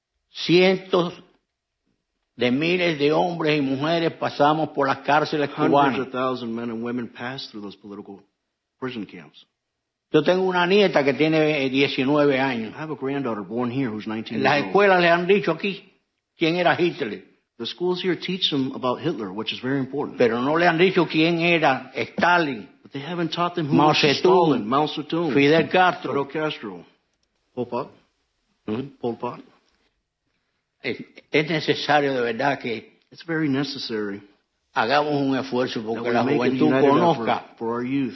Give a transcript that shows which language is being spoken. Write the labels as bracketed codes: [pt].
[es] Cientos de miles de hombres y mujeres pasamos por las cárceles cubanas. [en] Hundreds of thousands men and women passed through those political prison camps. [es] Yo tengo una nieta que tiene 19 años. [en] I have a granddaughter born here who's 19 years old. [es] En las escuelas le han dicho aquí quién era Hitler. [en] The schools here teach them about Hitler, which is very important. [es] Pero no le han dicho quién era Stalin. [en] But they haven't taught them who was Stalin. Mao Zedong. Fidel Castro. Fidel Castro. Pol Pot. Mm-hmm. Pol Pot. [es] Es necesario de verdad que [en] It's very necessary. [es] Hagamos un esfuerzo porque la juventud conozca [en] for our youth,